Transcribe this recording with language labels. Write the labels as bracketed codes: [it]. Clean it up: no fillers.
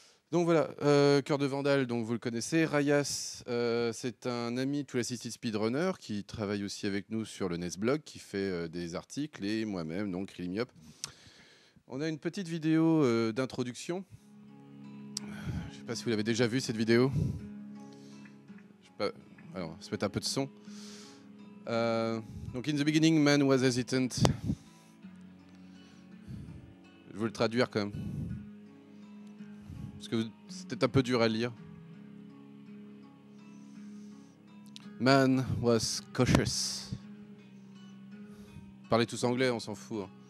[fr] Donc voilà, Cœur de Vandale, donc vous le connaissez. Rayas, c'est un ami tout l'assisted speedrunner qui travaille aussi avec nous sur le Nesblog, qui fait des articles, et moi-même, donc Rilimiop. On a une petite vidéo d'introduction. Je sais pas si vous l'avez déjà vue, cette vidéo. Je sais pas. Alors, on va se mettre un peu de son. [en] Donc, in the beginning, man was hesitant. [fr] Je vais le traduire quand même. Parce que c'était un peu dur à lire. [en] Man was cautious. [fr] Parlez tous anglais, on s'en fout.